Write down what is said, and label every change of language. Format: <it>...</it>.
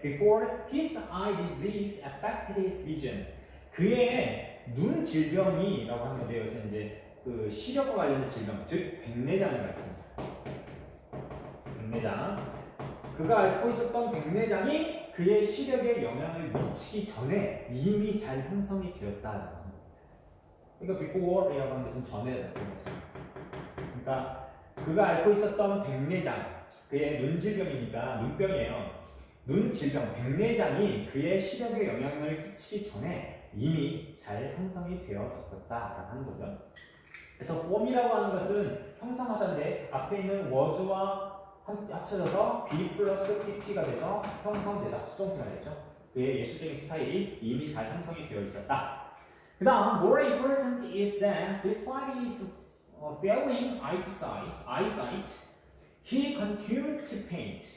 <en>Before his eye disease affected his vision.</en> <ko>그의 눈 질병이라고 하는데 여기서 이제 그 시력과 관련된 질병, 즉 백내장을 말합니다. 백내장. 그가 앓고 있었던 백내장이 그의 시력에 영향을 미치기 전에 이미 잘 형성이 되었다. 그러니까 before라고 하는 것은 전에 나타난 거죠. 그러니까 그가 앓고 있었던 백내장, 그의 눈 질병이니까 눈병이에요. 눈 질병, 백내장이 그의 시력에 영향을 끼치기 전에 이미 잘 형성이 되어졌었다라고 하는 거죠. 그래서 form이라고 하는 것은 형성하던데 앞에 있는 was와 합쳐져서 be 플러스 pp가 돼서 형성되다, 수동태가 되죠. 그의 예술적인 스타일이 이미 잘 형성이 되어 있었다. 그 다음,</ko> <en>more important is that despite his failing eyesight, he continued to paint.</en>